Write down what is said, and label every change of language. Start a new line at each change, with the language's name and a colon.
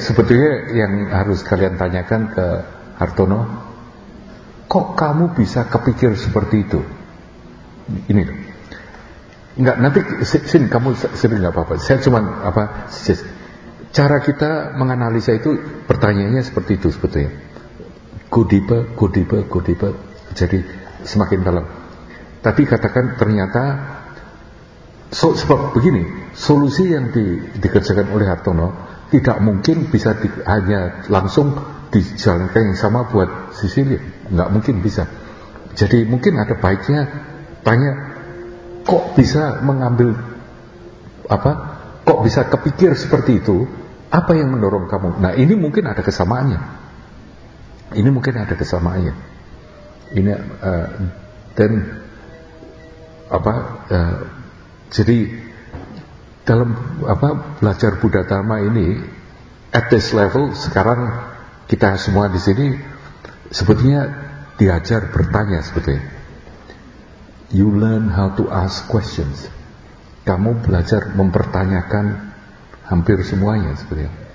Indonesian: Sebetulnya yang harus kalian tanyakan ke Hartono, kok kamu bisa kepikir seperti itu? Ini, enggak. Nanti sini kamu sini enggak apa-apa. Saya cuma apa? Cara kita menganalisa itu pertanyaannya seperti itu sebetulnya.
English: Go deeper, go deeper, go deeper.
Indonesian: Jadi semakin dalam. Tapi katakan ternyata sebab begini, solusi yang dikerjakan oleh Hartono tidak mungkin bisa hanya langsung dijalankan yang sama buat Sisili. Enggak mungkin bisa. Jadi mungkin ada baiknya tanya, kok bisa mengambil apa? Kok bisa kepikir seperti itu? Apa yang mendorong kamu? Nah, ini mungkin ada kesamaannya. Ini mungkin ada kesamaannya. Ini dan apa? Jadi dalam apa belajar Buddha Dharma ini
English: at this level
Indonesian: sekarang kita semua di sini sebetulnya diajar bertanya sebetulnya.
English: You learn how to ask questions.
Indonesian: Kamu belajar mempertanyakan hampir semuanya sebetulnya.